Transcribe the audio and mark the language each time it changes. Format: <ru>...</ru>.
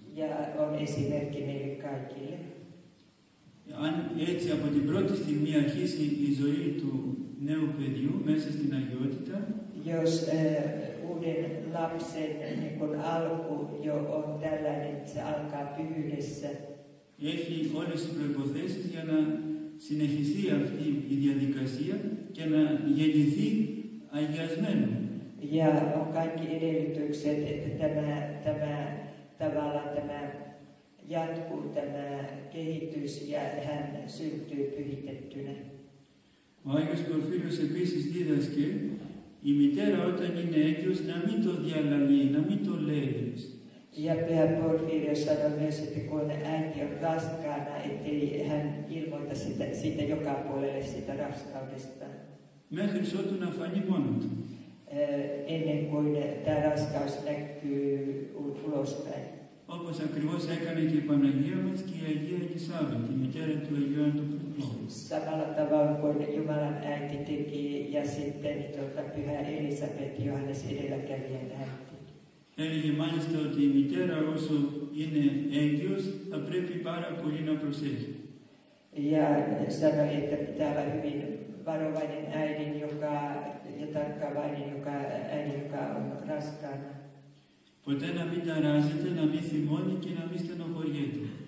<fi>Ja on esimerkki meille kaikille.</fi> <el>Αν έτσι από την πρώτη στιγμή αρχίσει η ζωή του νέου παιδιού μέσα στην αγιότητα.</el> <fi>Jos uuden lapsen niin kun alku jo on tällainen, että se alkaa pyhyydessä.</fi> <el>Έχει όλες τις προϋποθέσεις για να συνεχιστεί αυτή η διαδικασία και να γεννηθεί αγιασμένο.</el> <fi>Ja on kaikki edellytykset, että tämä tavallaan tämä jatkuu tämä kehitys ja hän syntyy pyhitettynä.</fi> <el>Ο Άγιος Πορφύριος επίσης δίδασκε η μητέρα όταν είναι έγκυος να μην το διαλαλεί, να μην το λέει.</el> <fi>Ja Pyhä Porfirio sanoi myös, että kun äiti on raskaana, ettei hän ilmoita siitä joka puolelle sitä raskaudesta.</fi> <el>Μέχρι ότου να φανεί μόνο του.</el> <fi>Ennen kuin tämä raskaus näkyy ulospäin.</fi> <el>Όπως ακριβώς έκανε και η Παναγία μας και η Αγία Ελισάβη, τη μητέρα του Αγίου Άντου Πρωτοπόρου.</el> <fi>Samalla tavalla kuin Jumalan äiti teki ja sitten Pyhä Elisabeth Johannes edelläkävijän äiti.</fi> <el>Έλεγε μάλιστα ότι η μητέρα όσο είναι έγκυος θα πρέπει πάρα πολύ να προσέχει.</el> <fi>Ja sanoi, että pitää olla hyvin varovainen äidin joka, ja tarkkaavainen joka, äidin, joka on raskaana.</fi> <el>Ποτέ να μην ταράζεται, να μην θυμώνει και να μην στενοχωριέται.</el>